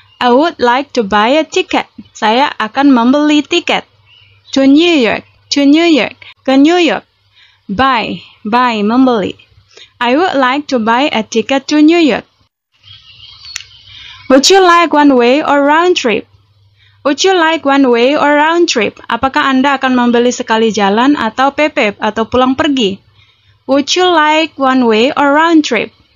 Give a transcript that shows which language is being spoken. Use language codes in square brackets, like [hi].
[en] I would like to buy a ticket. [id] Saya akan membeli tiket. [en] To New York. To New York. [id] Ke New York. [en] Buy. Buy. [id] Membeli. [en] I would like to buy a ticket to New York. Would you like one way or round trip? Would you like one way or round trip? [id] Apakah Anda akan membeli sekali jalan atau PP atau pulang pergi? [en] Would you like one way or round trip?